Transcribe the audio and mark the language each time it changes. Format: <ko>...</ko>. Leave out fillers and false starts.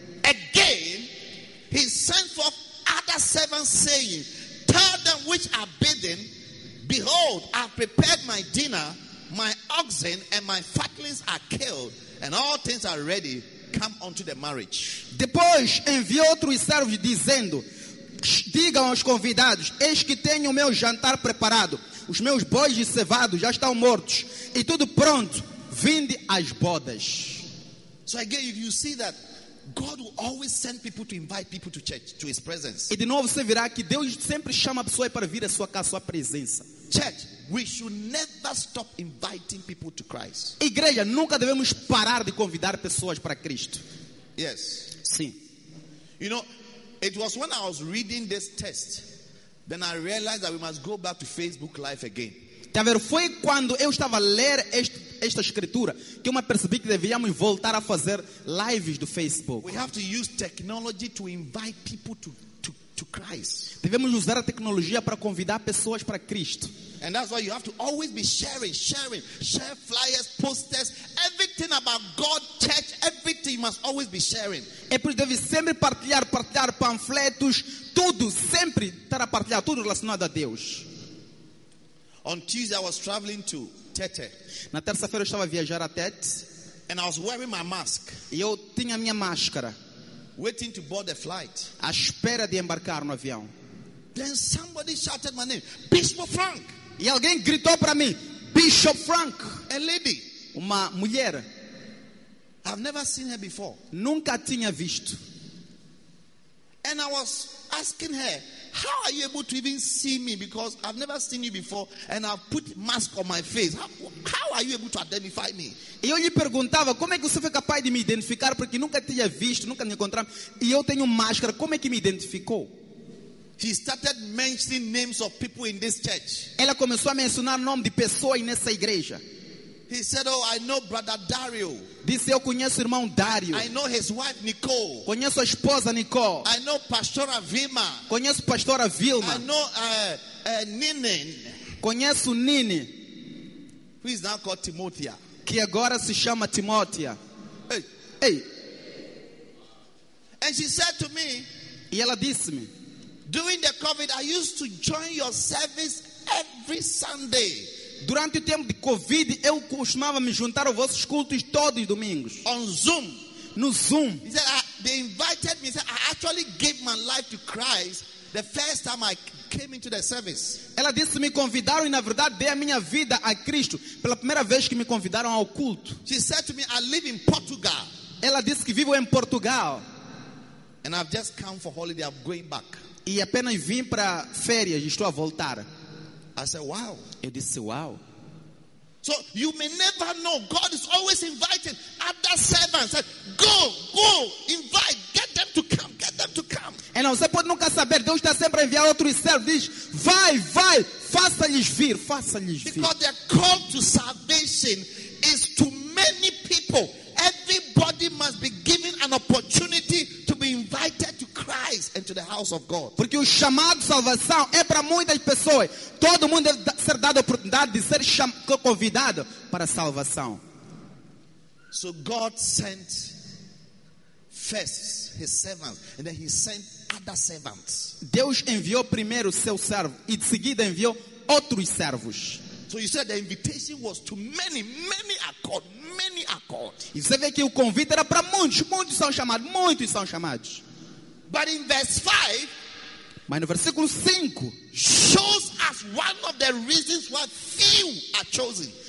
<en>Again, he sent for other servants saying, tell them which are bidden, behold, I have prepared my dinner, my oxen and my fatlings are killed, and all things are ready, come unto the marriage.</en> <pt>Depois enviou outros servos dizendo, digam aos convidados, eis que tenho o meu jantar preparado, os meus bois e cevados já estão mortos, e tudo pronto, vinde às bodas.</pt> <en>So again, if you see that God will always send people to invite people to church, to his presence.</en> <pt>E de novo você verá que Deus sempre chama pessoas para vir à sua presença.</pt> <en>Church, we should never stop inviting people to Christ.</en> <pt>Igreja, nunca devemos parar de convidar pessoas para Cristo.</pt> <en>Yes.</en> <pt>Sim.</pt> <en>You know, it was when I was reading this text Then I realized that we must go back to Facebook Live again.</en> <pt>Foi quando eu estava a ler esta escritura que eu me percebi que devíamos voltar a fazer lives do Facebook.</pt> <en>We have to use technology to invite people to Christ.</en> <pt>Devemos usar a tecnologia para convidar pessoas para Cristo.</pt> <en>And that's why you have to always be sharing, share flyers, posters, everything about God, church, everything you must always be sharing.</en> <pt>É por isso que deve sempre partilhar panfletos, tudo, sempre estar a partilhar tudo relacionado a Deus.</pt> <en>On Tuesday I was traveling to Tete.</en> <pt>Na terça-feira eu estava a viajar a Tete.</pt> <en>And I was wearing my mask.</en> <pt>E eu tinha a minha máscara.</pt> <en>Waiting to board the flight.</en> <pt>À espera de embarcar no avião.</pt> <en>Then somebody shouted my name, Bishop Frank.</en> <pt>E alguém gritou para mim, Bishop Frank.</pt> <en>A lady.</en> <pt>Uma mulher.</pt> <en>I've never seen her before.</en> <pt>Nunca tinha visto.</pt> <en>And I was asking her, how are you able to even see me? Because I've never seen you before and I've put mask on my face. How are you able to identify me?</en> <pt>E eu lhe perguntava, como é que você foi capaz de me identificar? Porque nunca tinha visto, nunca me encontrava. E eu tenho máscara, como é que me identificou?</pt> <en>She started mentioning names of people in this church.</en> <pt>Ela começou a mencionar nome de pessoas nessa igreja.</pt> <en>He said, oh, I know brother Dario.</en> <pt>Disse, eu conheço o irmão Dario.</pt> <en>I know his wife Nicole.</en> <pt>Conheço a esposa Nicole.</pt> <en>I know pastora Vilma.</en> <pt>Conheço pastora Vilma.</pt> <en>I know Nini.</en> <pt>Conheço Nini.</pt> <en>Who is now called Timothea.</en> <pt>Que agora se chama Timothea.</pt> <en>Hey. And she said to me.</en> <pt>E ela disse-me.</pt> <en>During the COVID, I used to join your service every Sunday.</en> <pt>Durante o tempo de COVID, eu costumava me juntar aos vossos cultos todos os domingos.</pt> <en>On Zoom.</en> <pt>No Zoom.</pt> <en>He said, they invited me. He said, I actually gave my life to Christ the first time I came into the service.</en> <pt>Ela disse, me convidaram e na verdade dei a minha vida a Cristo pela primeira vez que me convidaram ao culto.</pt> <en>She said to me, I live in Portugal.</en> <pt>Ela disse que vivo em Portugal.</pt> <en>And I've just come for holiday. I'm going back.</en> <pt>E apenas vim para férias e estou a voltar.</pt> <en>I said, wow.</en> <pt>Eu disse, wow.</pt> <en>So you may never know. God is always inviting other servants. Said, go, invite, get them to come.</en> <pt>E não, você pode nunca saber. Deus está sempre a enviar outro servo. Diz, vai, faça-lhes vir.</pt> <en>Because the call to salvation is to many people. Everybody must be given an opportunity to be invited to Christ and to the house of God.</en> <pt>Porque o chamado de salvação é para muitas pessoas. Todo mundo deve ser dado a oportunidade de ser convidado para a salvação.</pt> <en>So God sent first his servants and then he sent other servants.</en> <pt>Deus enviou primeiro o seu servo e de seguida enviou outros servos.</pt> <en>So you said the invitation was to many accord.</en> <pt>E você vê que o convite era para muitos são chamados.</pt> <en>But in verse 5,</en> <pt>mas no versículo 5,</pt> <en>shows us one of the reasons why few are chosen.</en>